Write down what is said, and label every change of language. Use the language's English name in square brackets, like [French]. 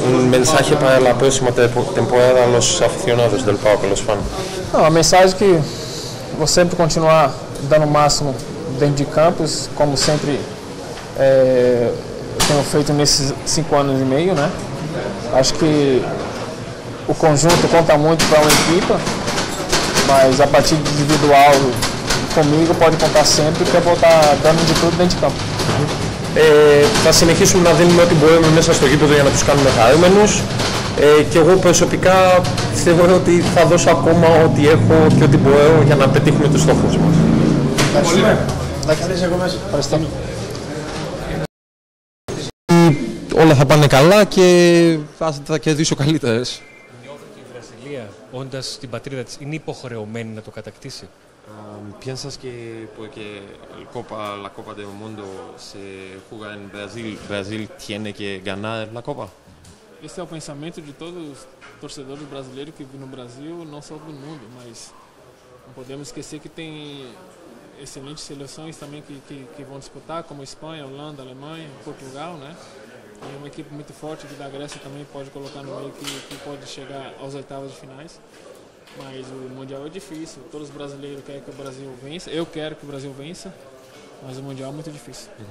[Spanish] Mensaje para la próxima temporada a los aficionados del Pau, los fans. [Portuguese] A mensagem que vou sempre continuar dando o máximo dentro de campos, como sempre tenho feito nesses 5 anos e meio, né? Acho que o conjunto conta muito para uma equipe, mas a partir do individual comigo pode contar sempre, que eu vou estar dando de tudo dentro de campo. [Greek] Θα συνεχίσουμε να δίνουμε ό,τι μπορούμε μέσα στο γήπεδο για να τους κάνουμε χαρούμενους. Και εγώ προσωπικά θεωρώ ότι θα δώσω ακόμα ό,τι έχω και ό,τι μπορώ για να πετύχουμε τους στόχους μας. Ευχαριστώ. Όλα θα πάνε καλά και θα κερδίσω καλύτερες. Νιώθω ότι η Βραζιλία, όντας την πατρίδα της, είναι υποχρεωμένη να το κατακτήσει. [Spanish] ¿Piensas que porque la Copa del Mundo se juega en Brasil, Brasil tiene que ganar la Copa? Este es el pensamiento de todos los torcedores brasileños que viven en Brasil, no solo del mundo, [Portuguese] mas no podemos esquecer que tem excelentes seleções [Spanish] también que van a disputar, como España, Holanda, Alemania, Portugal, ¿no? Y una equipe muy fuerte que da Grecia también puede colocar [Portuguese] no meio [Spanish] que puede llegar a las oitavas de finales. [Portuguese] Mas o Mundial é difícil, todos os brasileiros querem que o Brasil vença, eu quero que o Brasil vença, mas o Mundial é muito difícil.